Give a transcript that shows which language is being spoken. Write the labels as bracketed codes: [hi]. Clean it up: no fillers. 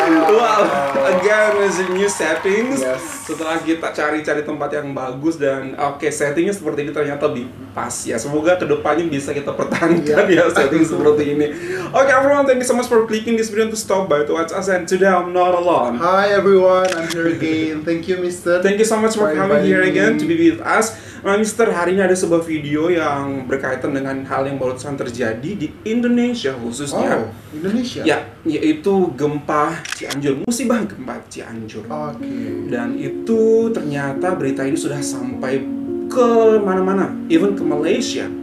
[en] Wow, again is a new setting. Yes. [id] Setelah kita cari-cari tempat yang bagus dan okay, settingnya seperti ini ternyata lebih pas ya. Semoga kedepannya bisa kita pertahankan ya setting seperti ini. [en] Okay, everyone, thank you so much for clicking this video to stop by to watch us. And today I'm not alone. Hi everyone, I'm here again. Thank you, Mister. Thank you so much for coming here again to be with us. [id] Nah, Mister, hari ini ada sebuah video yang berkaitan dengan hal yang barusan terjadi di Indonesia khususnya. [en] Oh, Indonesia? [id] Ya, yaitu gempa Cianjur, musibah gempa Cianjur. Oke. Okay. Dan itu ternyata berita ini sudah sampai ke mana-mana, even ke Malaysia.